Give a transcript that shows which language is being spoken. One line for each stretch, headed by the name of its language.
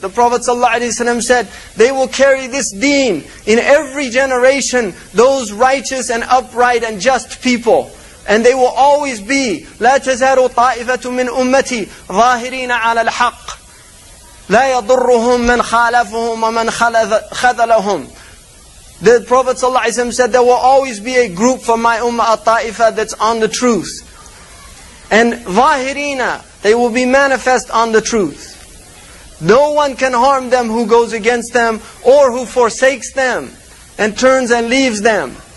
English: The Prophet ﷺ said, they will carry this deen in every generation, those righteous and upright and just people. And they will always be,
Arabic: لَا تَزَارُ طَائِفَةٌ مِّنْ أُمَّتِي ظَاهِرِينَ عَلَى الْحَقِّ لَا يَضُرُّهُمْ مَنْ خَالَفُهُمْ وَمَنْ خَذَلَهُمْ.
English: The Prophet ﷺ said, there will always be a group from my ummah, a ta'ifa, that's on the truth. And ظاهرينَ, they will be manifest on the truth. No one can harm them who goes against them or who forsakes them and turns and leaves them.